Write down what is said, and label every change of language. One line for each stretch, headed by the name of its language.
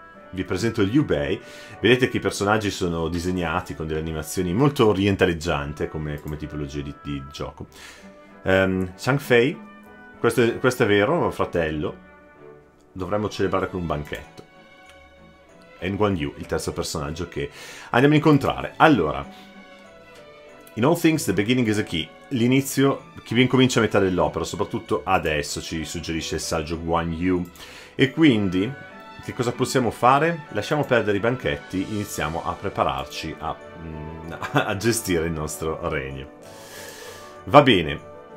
Italian: Vi presento Liu Bei, vedete che i personaggi sono disegnati con delle animazioni molto orientaleggiante come tipologia di gioco. Chang Fei, questo è vero, fratello. Dovremmo celebrare con un banchetto. En Guan Yu, il terzo personaggio che andiamo a incontrare.
English: Allora, in all things the beginning is a key.
Italian: L'inizio, chi vi incomincia a metà dell'opera, soprattutto adesso, ci suggerisce il saggio Guan Yu. E quindi, che cosa possiamo fare? Lasciamo perdere i banchetti, iniziamo a prepararci a gestire il nostro regno. Va bene.